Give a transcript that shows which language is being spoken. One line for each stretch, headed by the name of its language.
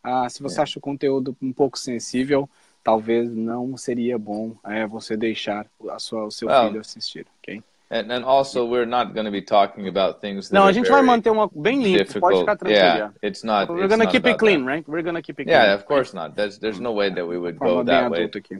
Portuguese: Se você acha o conteúdo um pouco sensível, talvez não seria bom você deixar o seu filho assistir, ok?
English: And also, we're not going to be talking about things that are very difficult.
Portuguese: No, a gente vai manter uma bem limpo, pode ficar tranquilo.
English: Yeah, it's not. We're going to keep it clean, right? We're going to keep it clean. Yeah, of course not. There's no way that we would go that way.